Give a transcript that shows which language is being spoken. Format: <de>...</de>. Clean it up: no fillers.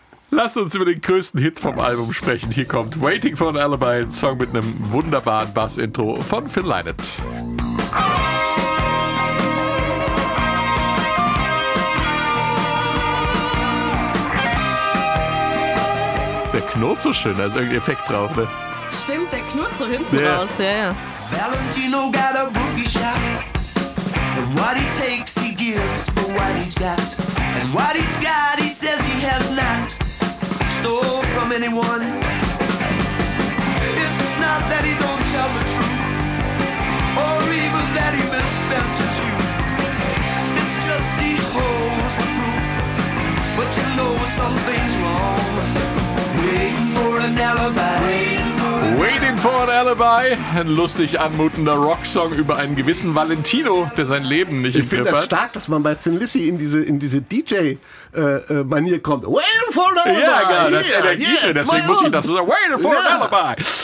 <de>Lasst uns über den größten Hit vom Album sprechen. Hier kommt Waiting for an Alibi, ein Song mit einem wunderbaren Bass-Intro von Phil Lynott. Der knurrt so schön, da ist irgendein Effekt drauf, ne? Stimmt, der knurrt so hinten raus, ja.</de> <en>Valentino got a boogie shop. And what he takes, he gives for what he's got. And what he's got, he says he has not. Stole from anyone. It's not that he don't tell the truth, or even that he misspent his youth. It's just he holds the proof, but you know something's wrong. Waiting for an alibi.</en> <de>Waiting for an Alibi, ein lustig anmutender Rocksong über einen gewissen Valentino, der sein Leben nicht im Griff hat. Ich finde das stark, dass man bei Thin Lizzy in diese DJ-Manier kommt.</de> <en>Waiting for an Alibi!</en> <de>Ja, genau, das ist Energie, deswegen muss ich das so sagen. Waiting for an Alibi!</de>